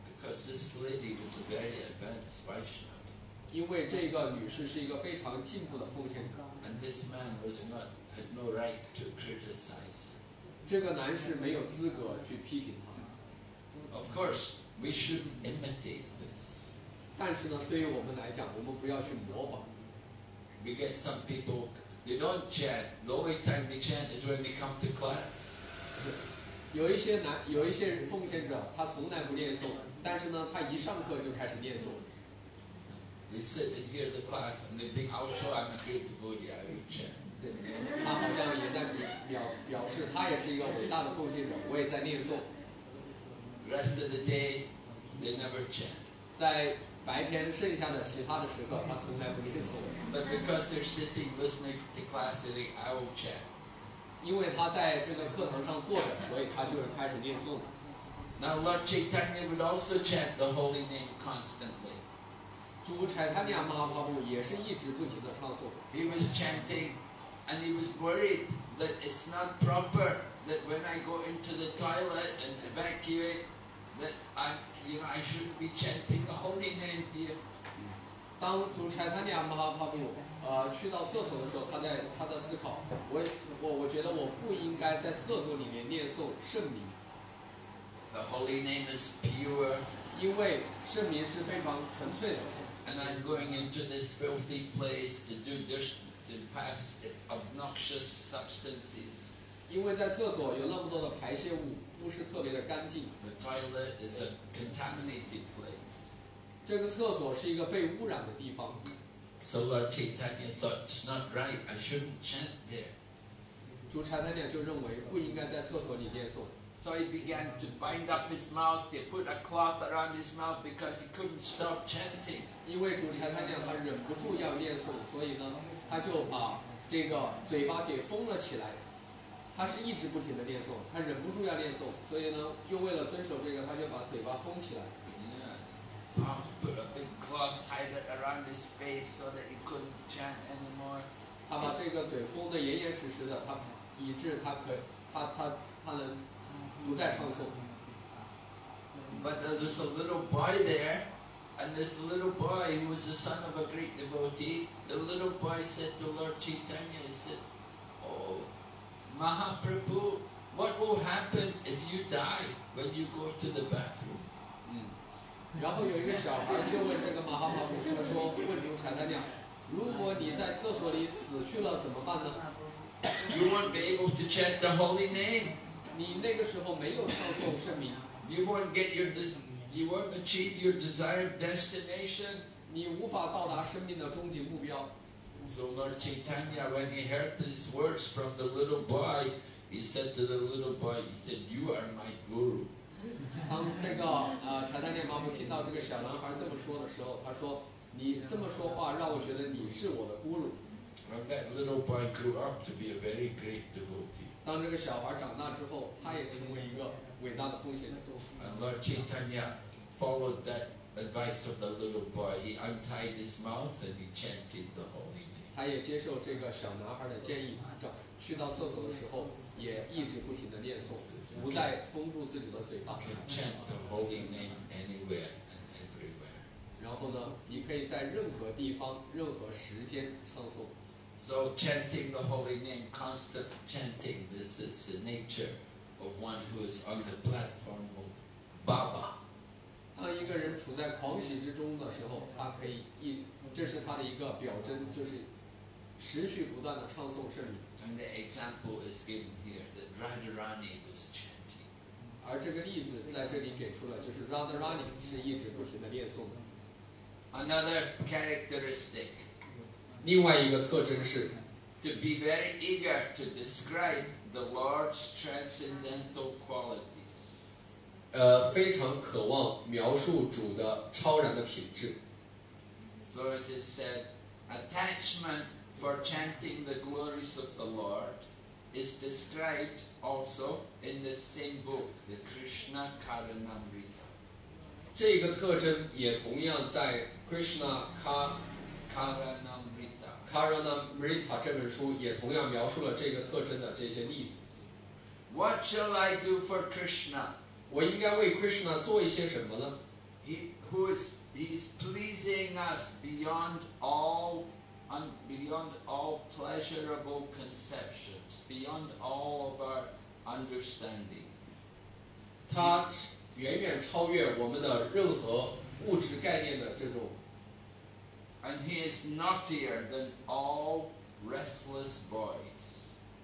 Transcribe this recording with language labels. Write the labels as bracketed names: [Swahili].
[English] Because this lady was a very advanced Vaishnava. [Chinese] 因为这个女士是一个非常进步的奉献者。 [English] And this man was not had no right to criticize her. [Chinese] 这个男士没有资格去批评她。 [English] Of course, we shouldn't imitate this. [Chinese] 但是呢，对于我们来讲，我们不要去模仿。 [English] We get some people, they don't chant. The only time they chant is when they come to class. [Chinese] 有一些奉献者，他从来不念诵，但是呢，他一上课就开始念诵。 [English] They sit and hear the class and they think, "I'll show I'm a good devotee. I will chant." [Chinese] 对，他好像也在表示，他也是一个伟大的奉献者，我也在念诵。 [English] Rest of the day, they never chant. [Chinese] 在白天剩下的其他的时刻，他从来不念诵。 [English] But because they're sitting listening to class, they think, "I will chant." [Chinese] 因为他在这个课堂上坐着，所以他就开始念诵了。 [English] Now Lord Chaitanya would also chant the holy name constantly. [Chinese] 主差他念马哈布也是一直不停的唱诵。 [English] He was chanting, and he was worried that it's not proper that when I go into the toilet and evacuate, that I shouldn't be chanting the holy name here. [Chinese] 当主差他念马哈布去到厕所的时候，他在思考，我觉得我不应该在厕所里面念诵圣名。 [English] The holy name is pure. [Chinese] 因为圣名是非常纯粹的。 [English] And I'm going into this filthy place to do dirt, to pass obnoxious substances. [Chinese] 因为在厕所有那么多的排泄物，不是特别的干净。 [English] The toilet is a contaminated place. [Chinese] 这个厕所是一个被污染的地方。 [English] So Lord Chaitanya thought it's not right. I shouldn't chant there. [Chinese] 主差他俩就认为不应该在厕所里念诵。 [English] So he began to bind up his mouth. He put a cloth around his mouth because he couldn't stop chanting. [Chinese] 因为主差他娘他忍不住要念诵，所以呢，他就把这个嘴巴给封了起来。他是一直不停的念诵，他忍不住要念诵，所以呢，又为了遵守这个，他就把嘴巴封起来。 [English] Yeah, Tom put a big cloth tied it around his face so that he couldn't chant anymore. [Chinese] 他把这个嘴封得严严实实的，他以致他可他能。不再唱诵。 [English] But there was a little boy there, and this little boy who was the son of a great devotee. The little boy said to Lord Chaitanya, he said, "Oh, Mahaprabhu, what will happen if you die when you go to the bathroom?" [Chinese] 然后有一个小孩就问这个马哈帕布，他说：“问主禅他娘，如果你在厕所里死去了怎么办呢 [English] ？”You won't be able to chant the holy name. [Chinese] 你那个时候没有唱诵圣名。 [English] You won't get your des, you won't achieve your desired destination. [Chinese] 你无法到达生命的终极目标。 [English] So Lord Chaitanya, when he heard these words from the little boy, he said to the little boy, he said, "You are my guru." [Chinese] 当这个柴达涅妈妈听到这个小男孩这么说的时候，他说：“你这么说话，让我觉得你是我的孤儒。” [English] And that little boy grew up to be a very great devotee. [Chinese] 当这个小孩长大之后，他也成为一个伟大的奉献者。 [English] And Lord Chaitanya followed that advice of the little boy. He untied his mouth and he chanted the holy name. [Chinese] 他也接受这个小男孩的建议，去到厕所的时候也一直不停的念诵，不再封住自己的嘴巴。 [English] Can chant the holy name anywhere and everywhere. [Chinese] 然后呢，你可以在任何地方、任何时间唱诵。 [English] So chanting the holy name, constant chanting, this is the nature of one who is on the platform of Baba. [Chinese] 当一个人处在狂喜之中的时候，他可以一，这是他的一个表征，就是持续不断的唱诵圣名。 [English] And the example is given here that Radharani was chanting. [Chinese] 而这个例子在这里给出了，就是 Radharani 是一直不停的念诵的。 [English] Another characteristic. [Chinese] 另外一个特征是 [English] ，to be very eager to describe the Lord's transcendental qualities， [Chinese] 非常渴望描述主的超然的品质。 [English] So it is said, attachment for chanting the glories of the Lord is described also in the same book, the Krishna Karanamrita。 [Chinese] 这个特征也同样在 Krishna Karanamrita。 Karanamrita 这本书也同样描述了这个特征的这些例子。 [English] What shall I do for Krishna? [Chinese] 我应该为 Krishna 做一些什么呢？ [English] He is pleasing us beyond all pleasurable conceptions, beyond all of our understanding. [Chinese] 他远远超越我们的任何物质概念的这种。 [English] And he is naughtier than all restless boys.